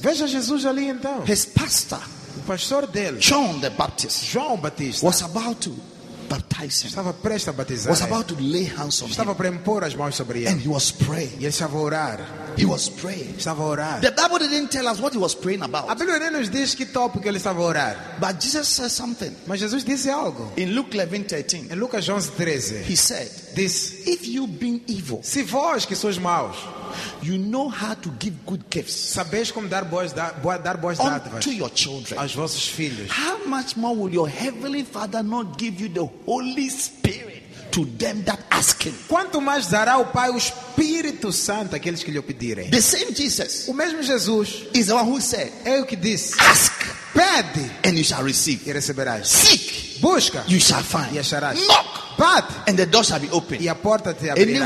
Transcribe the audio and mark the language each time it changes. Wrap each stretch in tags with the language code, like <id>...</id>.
<pt>Veja Jesus ali então.</pt> <en>His pastor,</en> <pt>o pastor dele,</pt> <en>John the Baptist,</en> <pt>João Batista,</pt> <en>was about to baptize him.</en> <pt>Estava prestes a batizar.</pt> <en>Was about to lay hands on him.</en> <pt>Estava para impor as mãos sobre ele.</pt> <en>And he was praying.</en> <pt>E ele estava a orar.</pt> <en>He was praying.</en> <pt>Estava a orar.</pt> <en>The Bible didn't tell us what he was praying about.</en> <pt>A Bíblia não nos diz que tópico ele estava a orar.</pt> <en>But Jesus said something.</en> <pt>Mas Jesus disse algo.</pt> <en>In Luke 11:13.</en> <pt>Em Lucas 11:13.</pt> <en>He said this: if you being evil,</en> <pt>se vós que sois maus,</pt> <en>you know how to give good gifts,</en> <pt>sabeis como dar boas dádivas</pt> <en>to your children,</en> <pt>aos vossos filhos,</pt> <en>how much more will your heavenly Father not give you the Holy Spirit to them that ask him?</en> <pt>Quanto mais dará o Pai o Espírito Santo àqueles que lhe pedirem?</pt> <en>The same Jesus,</en> <pt>o mesmo Jesus,</pt> <en>is the one who said,</en> <pt>é o que disse,</pt> <en>ask,</en> <pt>pede,</pt> <en>and you shall receive,</en> <pt>e receberás,</pt> <en>seek,</en> <pt>busca,</pt> <en>you shall find,</en> <pt>e acharás,</pt> <en>knock,</en> <pt>bate,</pt> <en>and the door shall be opened,</en> <pt>e a porta te abrirá.</pt>